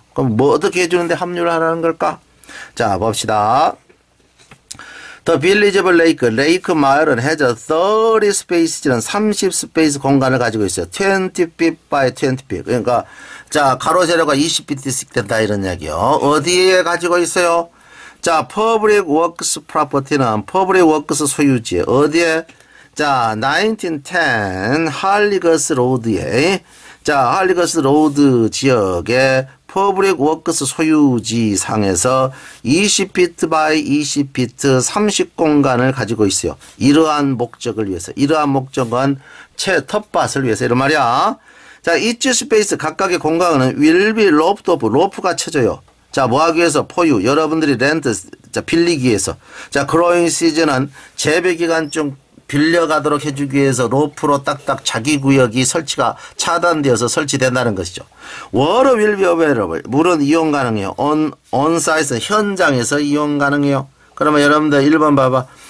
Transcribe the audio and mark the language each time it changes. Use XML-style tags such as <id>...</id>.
<ko>그럼 뭐 어떻게 해주는데 합류를 하라는 걸까? 자, 봅시다. The Visible Lake 마을은 has 30 스페이스는 30 스페이스 공간을 가지고 있어요.</ko> <en>20 feet by 20 feet.</en> <ko>그러니까 자 가로 세로가 20 feet씩 된다 이런 이야기요. 어디에 가지고 있어요? 자 Public Works Property는 Public Works 소유지에 어디에? 자1910 Halligas Road에 자 Halligas Road 지역에 퍼블릭 워크스 소유지 상에서 20피트 바이 20피트 30 공간을 가지고 있어요. 이러한 목적을 위해서. 이러한 목적은 채 텃밭을 위해서. 이런 말이야.</ko> <en>자, each space</en> <ko>각각의 공간은</ko> <en>will be roped off.</en> <ko>로프가 쳐져요. 자, 뭐 하기 위해서? 포유. 여러분들이 렌트, 자, 빌리기 위해서. 자,</ko> <en>growing season</en> <ko>은 재배 기간 중 빌려가도록 해주기 위해서 로프로 딱딱 자기 구역이 설치가 차단되어서 설치된다는 것이죠.</ko> <en>Water will be available.</en> <ko>물은 이용 가능해요. On-site, 현장에서 이용 가능해요. 그러면 여러분들 1번 봐봐.</ko>